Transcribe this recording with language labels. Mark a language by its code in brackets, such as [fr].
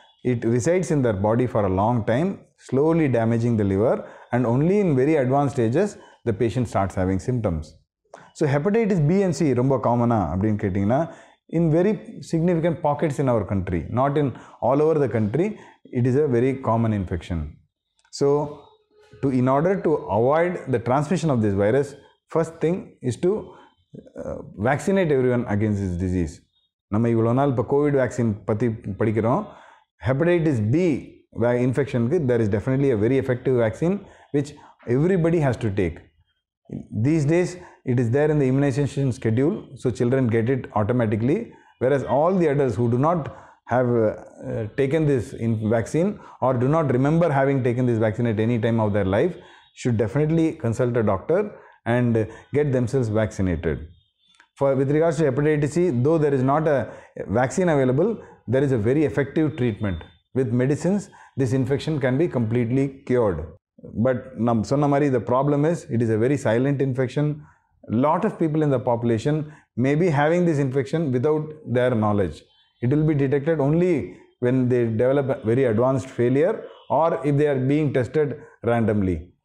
[en] It resides in their body for a long time, slowly damaging the liver, and only in very advance stages the patient starts having symptoms. So hepatitis B and C [ta] ரொம்ப காமனா அப்படின்னு கேட்டிங்கன்னா, [en] in very significant pockets in our country, not in all over the country, it is a very common infection. So in order to avoid the transmission of this virus, first thing is to vaccinate everyone against this disease. [ta] Nama ivlo naal pa covid vaccine pathi padikiram. [en] Hepatitis B infection [ta] ku [en] there is definitely a very effective vaccine which everybody has to take. These days it is there in the immunization schedule, so children get it automatically, whereas all the adults who do not have taken this vaccine or do not remember having taken this vaccine at any time of their life should definitely consult a doctor and get themselves vaccinated. For with regards to hepatitis C, though there is not a vaccine available, there is a very effective treatment with medicines. This infection can be completely cured. But [ta] நம் சொன்ன மாதிரி [en] The problem is it is a very silent infection. Lot of people in the population may be having this infection without their knowledge. It will be detected only when they develop very advanced failure or if they are being tested randomly.